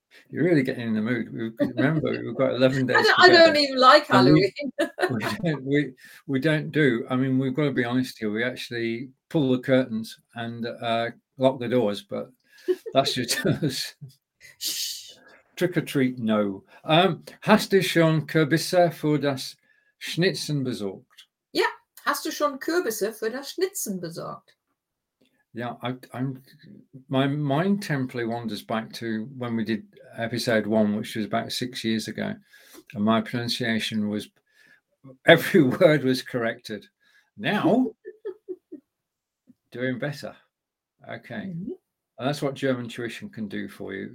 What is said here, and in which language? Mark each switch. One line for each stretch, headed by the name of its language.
English: You're really getting in the mood. Remember, we've got 11 days. I don't even like Halloween. We don't do. I mean, we've got to be honest here. We actually pull the curtains and lock the doors, but that's just us. Trick or treat, no.
German: Hast du schon Kürbisse für das Schnitzen besorgt?
English: Yeah,
German: hast du schon Kürbisse für das Schnitzen besorgt?
English: Yeah, I'm. My mind temporarily wanders back to when we did episode one, which was about 6 years ago, and my pronunciation was, every word was corrected. Now, doing better. Okay, and that's what German tuition can do for you.